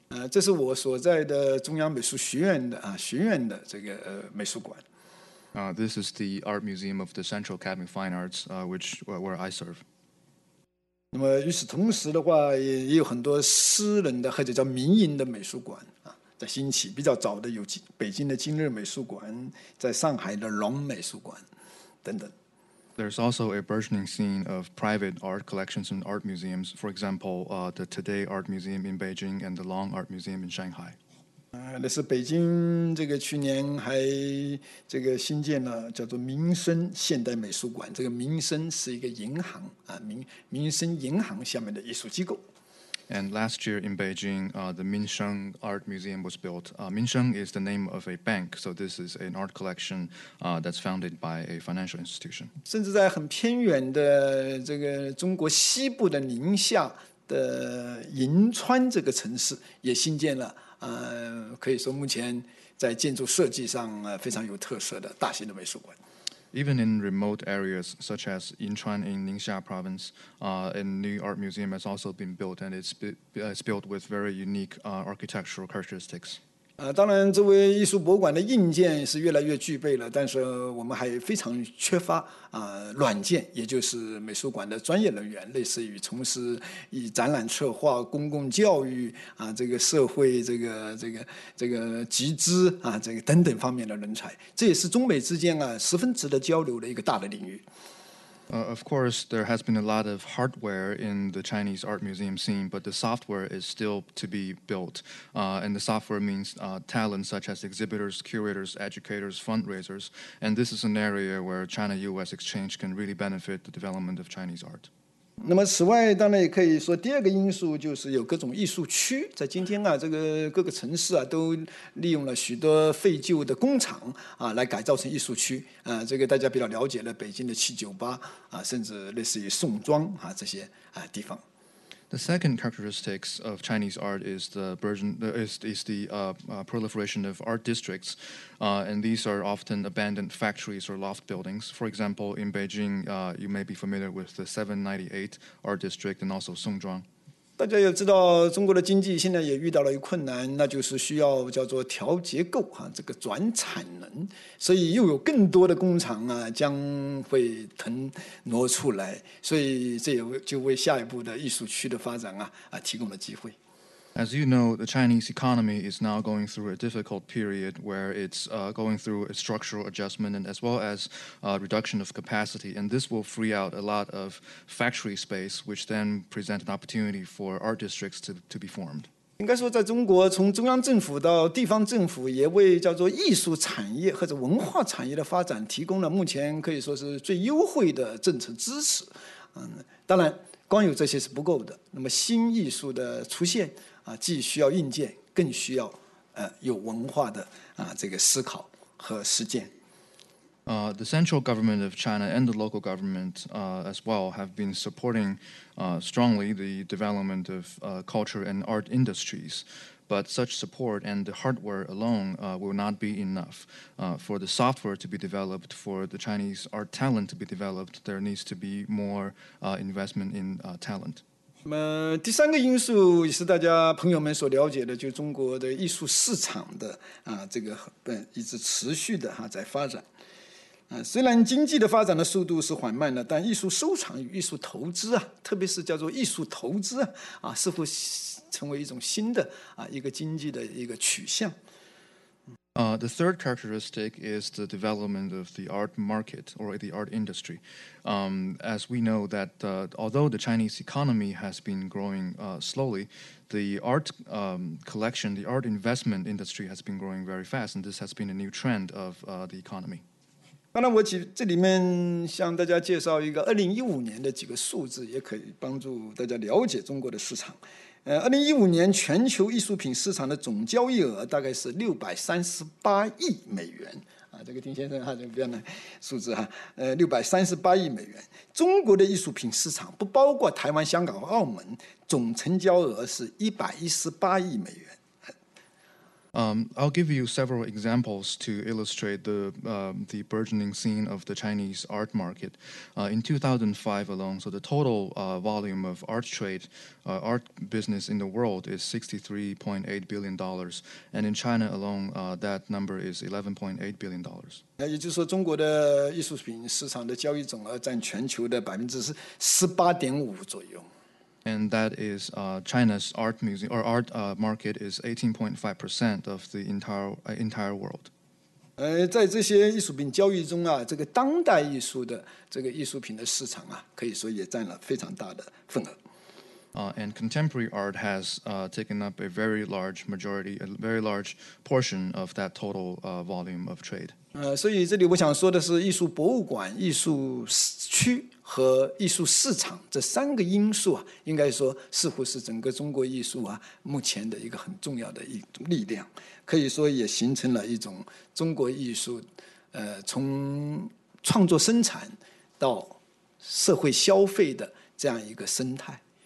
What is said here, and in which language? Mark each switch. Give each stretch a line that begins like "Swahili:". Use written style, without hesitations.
Chinese: 这是我所在的中央美术学院的学院的这个美术馆。
English: This is the Art Museum of the Central Academy of Fine Arts, which where I serve.
Chinese: 那么与此同时的话，也有很多私人的或者叫民营的美术馆在兴起。比较早的有北京的今日美术馆，在上海的龙美术馆等等。
English: There's also a burgeoning scene of private art collections and art museums. For example, the Today Art Museum in Beijing and the Long Art Museum in Shanghai.
Chinese: 那是北京这个去年还这个新建了叫做民生现代美术馆，这个民生是一个银行民生银行下面的艺术机构。
English: And last year in Beijing, the Minsheng Art Museum was built. Minsheng is the name of a bank, so this is an art collection that's founded by a financial institution.
Chinese: 甚至在很偏远的这个中国西部的宁夏的银川这个城市也新建了。可以说目前在建筑设计上非常有特色的大型的美术馆。 Even in remote areas such as Yinchuan in Ningxia province, a new art museum has also been built, and it's built with very unique architectural characteristics. 当然，作为艺术博物馆的硬件是越来越具备了，但是我们还非常缺乏软件，也就是美术馆的专业人员，类似于从事以展览策划、公共教育这个社会这个集资这个等等方面的人才，这也是中美之间十分值得交流的一个大的领域。
English: Of course, there has been a lot of hardware in the Chinese art museum scene, but the software is still to be built. And the software means talent such as exhibitors, curators, educators, fundraisers. And this is an area where China-US exchange can really benefit the development of Chinese art.
Chinese: 那么此外当然也可以说第二个因素就是有各种艺术区，在今天啊这个各个城市啊都利用了许多废旧的工厂啊来改造成艺术区啊，这个大家比较了解了北京的798啊，甚至类似于宋庄啊这些啊地方。
English: The second characteristics of Chinese art is the proliferation of art districts, and these are often abandoned factories or loft buildings. For example, in Beijing, you may be familiar with the 798 art district and also Songzhuang.
Chinese: 大家也知道，中国的经济现在也遇到了一个困难，那就是需要叫做调结构啊，这个转产能，所以又有更多的工厂啊将会腾挪出来，所以这也就为下一步的艺术区的发展啊提供了机会。
English: As you know, the Chinese economy is now going through a difficult period where it's going through a structural adjustment and as well as reduction of capacity. And this will free out a lot of factory space, which then present an opportunity for art districts to be formed.
Chinese: 应该说在中国从中央政府到地方政府也为叫做艺术产业或者文化产业的发展提供了目前可以说是最优惠的政策支持。当然光有这些是不够的。那么新艺术的出现既需要硬件，更需要有文化的这个思考和实践。
English: The central government of China and the local government as well have been supporting strongly the development of culture and art industries. But such support and the hardware alone will not be enough. For the software to be developed, for the Chinese art talent to be developed, there needs to be more investment in talent.
Chinese: 那么第三个因素也是大家朋友们所了解的，就是中国的艺术市场的这个一直持续的在发展。虽然经济的发展的速度是缓慢的，但艺术收藏与艺术投资特别是叫做艺术投资似乎成为一种新的一个经济的一个取向。
English: The third characteristic is the development of the art market or the art industry. As we know that although the Chinese economy has been growing slowly, the art collection, the art investment industry has been growing very fast, and this has been a new trend of the economy.
Chinese: 刚才我这里面向大家介绍一个2015年的几个数字，也可以帮助大家了解中国的市场。 2015年全球艺术品市场的总交易额大概是638亿美元这个丁先生这边的数字638亿美元。中国的艺术品市场不包括台湾、香港和澳门，总成交额是118亿美元。
English: I'll give you several examples to illustrate the burgeoning scene of the Chinese art market. In 2005 alone, so the total volume of art trade, art business in the world is $63.8 billion. And in China alone, that number is $11.8 billion.
Chinese: 也就是说中国的艺术品市场的交易总额占全球的 18.5% 左右。
English: And that is China's art museum or art market is 18.5% of the entire world.
Chinese: 在这些艺术品交易中这个当代艺术的这个艺术品的市场可以说也占了非常大的份额。
English: And contemporary art has taken up a very large majority, a very large portion of that total volume of trade.
Chinese: 所以这里我想说的是艺术博物馆、艺术区和艺术市场这三个因素应该说似乎是整个中国艺术目前的一个很重要的一种力量，可以说也形成了一种中国艺术从创作生产到社会消费的这样一个生态。